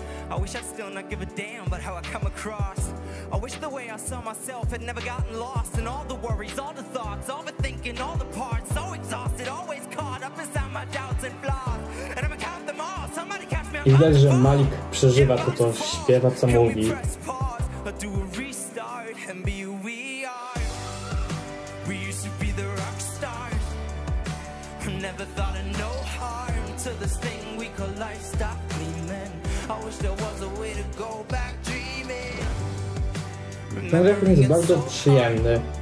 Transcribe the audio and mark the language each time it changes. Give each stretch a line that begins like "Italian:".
English: I wish I'd still not give a damn about how I come across. I wish the way I saw myself had never gotten lost. And all the worries, all the thoughts, all the thinking, all the parts. So exhausted, always caught up inside my doubts and flaws. And I'ma count them all, somebody catch me on my phone.
Polish: I widać, że Malik przeżywa to, co śpiewa, co mówi.
English: Can we press pause, or do a restart and be who we are? We used to be the rock stars. I never thought of no harm to this thing we call life stop gleaming. I wish there was a way to go back dreaming.
Polish: Ten refren jest bardzo przyjemny.